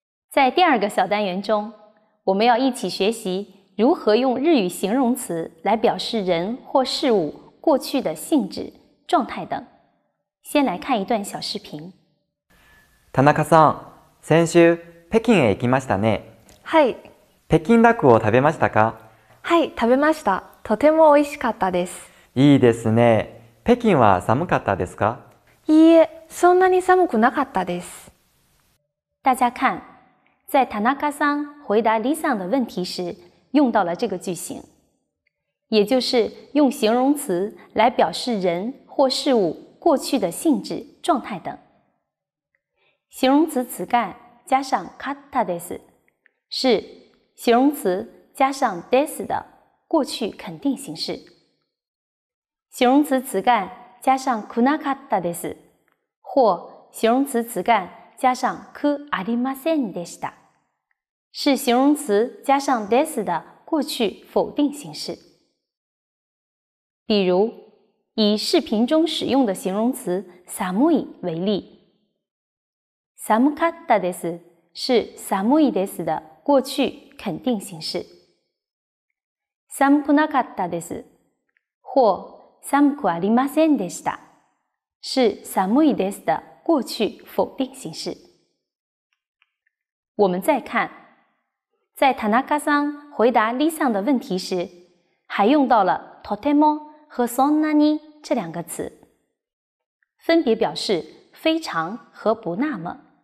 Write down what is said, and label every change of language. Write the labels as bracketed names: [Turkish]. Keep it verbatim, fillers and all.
[Chinese] 在第二个小单元中，我们要一起学习如何用日语形容词来表示人或事物过去的性质、状态等。先来看一段小视频。 [Japanese] 田中さん、先週北京へ行きましたね。はい。北京ダックを食べましたか？はい、食べました。とても美味しかったです。いいですね。北京は寒かったですか？いいえ、そんなに寒くなかったです。 [Chinese] 大家看，在田中さん回答李さん的问题时，用到了这个句型，也就是用形容词来表示人或事物过去的性质、状态等。形容词词干加上かったです，是形容词加上です的过去肯定形式。形容词词干加上くなかったです，或形容词词干加上くありませんでした，是形容词加上です的过去否定形式。比如，以视频中使用的形容词寒い为例，寒かったです是寒いです的过去肯定形式。寒くなかったです或寒くありませんでした是寒いです的过去否定形式。我们再看，在田中さん回答李さん的问题时，还用到了とても和そんなに这两个词，分别表示非常和不那么。